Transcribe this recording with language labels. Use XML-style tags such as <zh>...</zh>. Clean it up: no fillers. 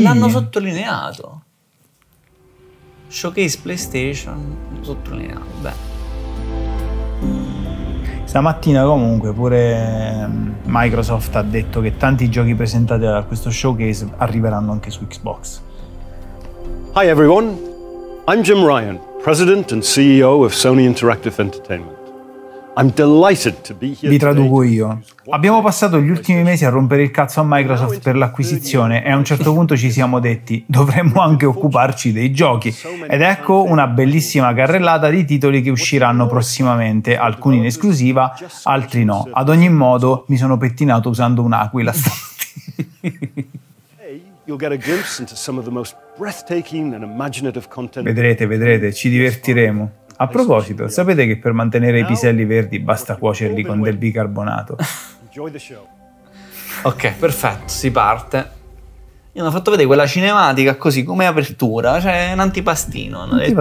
<it>L'hanno sottolineato. Showcase PlayStation, sottolineato, beh. Stamattina comunque pure Microsoft ha detto che tanti giochi presentati da questo showcase arriveranno anche su Xbox.</it> <en>Hi everyone, I'm Jim Ryan, President and CEO of Sony Interactive Entertainment. I'm delighted to be here.</en> <it>Vi traduco io. Abbiamo passato gli ultimi mesi a rompere il cazzo a Microsoft per l'acquisizione e a un certo punto ci siamo detti dovremmo anche occuparci dei giochi. Ed ecco una bellissima carrellata di titoli che usciranno prossimamente, alcuni in esclusiva, altri no. Ad ogni modo mi sono pettinato usando un'aquila.</it> <en>You'll get a glimpse into some of the most breathtaking and imaginative content.</en> <it>Vedrete, ci divertiremo. A proposito, sapete che per mantenere i piselli verdi basta cuocerli con del bicarbonato?</it> <en>Enjoy the show.</en> <it>Ok, perfetto, si parte. Mi hanno fatto vedere quella cinematica così, come apertura, cioè un antipastino, hanno detto.</it>